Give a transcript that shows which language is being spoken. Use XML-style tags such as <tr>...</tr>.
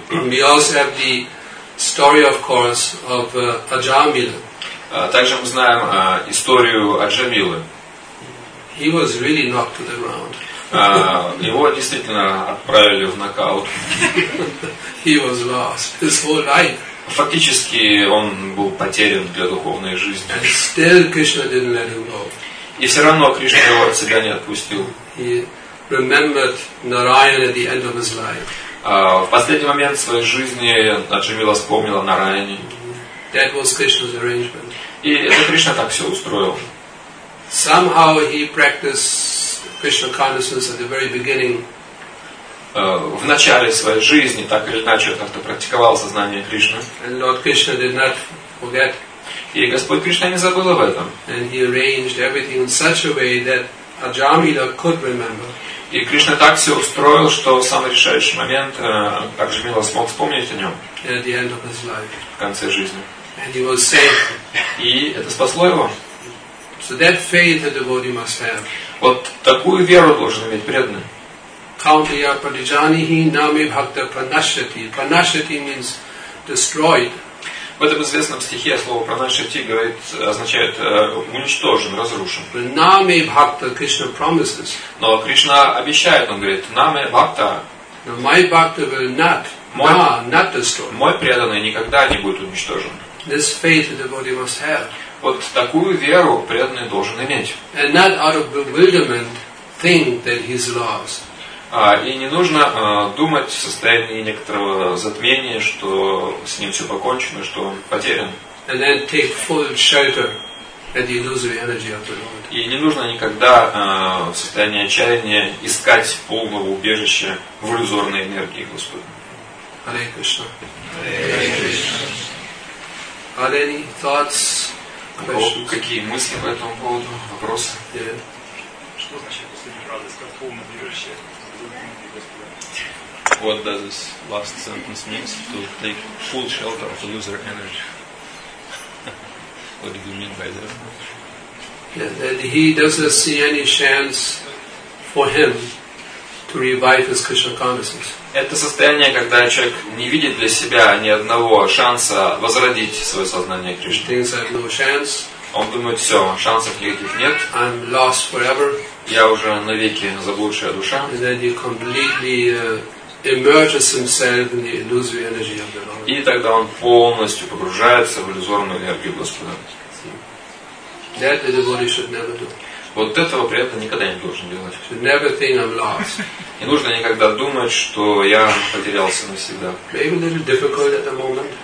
<en>We also have the story, of course, of Ajamila.</en> <ru>Также мы знаем историю Аджамилы.</ru> <en>He was really knocked to the ground.</en> <ru>Его действительно отправили в нокаут.</ru> <en>He was lost his whole life.</en> <ru>Фактически он был потерян для духовной жизни.</ru> <en>And still Krishna didn't let him go.</en> <ru>И все равно Кришна его от себя не отпустил.</ru> <en>He remembered Narayana at the end of his life.</en> <ru>В последний момент своей жизни Аджамила вспомнила Нараяну.</ru> <en>That was Krishna's arrangement.</en> <ru>И это Кришна так все устроил.</ru> <en>Somehow he practiced Krishna consciousness at the very beginning.</en> <ru>В начале своей жизни так или иначе как-то практиковал сознание Кришны.</ru> <en>And Lord Krishna did not forget.</en> <ru>И Господь Кришна не забыл об этом.</ru> <en>And he arranged everything in such a way that Ajamila could remember.</en> <ru>И Кришна так все устроил, что в самый решающий момент Аджамила смог вспомнить о нем.</ru> <en>At the end of his life.</en> <ru>В конце жизни.</ru> <en>And he was saved.</en> <ru>И это спасло его.</ru> <en>So that faith the devotee must have.</en> <ru>Вот такую веру должен иметь преданный.</ru> <sa>Kauntiya Parijanihi Nami Bhakta Pranashati.</sa> <en>Pranashati means destroyed.</en> <ru>В этом известном стихе слово Pranashati говорит, означает уничтожен, разрушен.</ru> <sa>Nami Bhakta</sa> <en>Krishna promises.</en> <ru>Но Кришна обещает, он говорит,</ru> <sa>Nami Bhakta.</sa> <en>My Bhakta will not, not destroy.</en> <ru>Мой преданный никогда не будет уничтожен.</ru> <en>This faith the devotee must have.</en> <ru>Вот такую веру преданный должен иметь.</ru> <en>And not out of bewilderment think that he's lost.</en> <ru>И не нужно думать в состоянии некоторого затмения, что с ним все покончено, что он потерян.</ru> <en>And then take full shelter at the illusory energy of the Lord.</en> <ru>И не нужно никогда в состоянии отчаяния искать полного убежища в иллюзорной энергии Господа.</ru> <en>Hare Krishna.</en> <ru>Hare Krishna.</ru> <en>Are any thoughts?</en> <ru>Какие мысли по этому поводу? Вопросы? Что значит последняя фраза? Как полное убежище?</ru> <en>What does this last sentence mean? To take full shelter of loser energy. What do you mean by that? That he doesn't see any chance for him to revive his Krishna consciousness.</en> <ru>Это состояние, когда человек не видит для себя ни одного шанса возродить свое сознание Кришны. Он думает, все, шансов никаких нет.</ru> <en>I'm lost forever.</en> <ru>Я уже навеки заблудшая душа.</ru> <en>And then he completely immerses himself in the illusory energy of the Lord.</en> <ru>И тогда он полностью погружается в иллюзорную энергию Господа.</ru> <en>That the devotee should never do.</en> <ru>Вот этого преданный никогда не должен делать.</ru> <en>Should never think I'm lost.</en> <ru>Не нужно никогда думать, что я потерялся навсегда.</ru> <en>Maybe a little difficult at the moment.</en>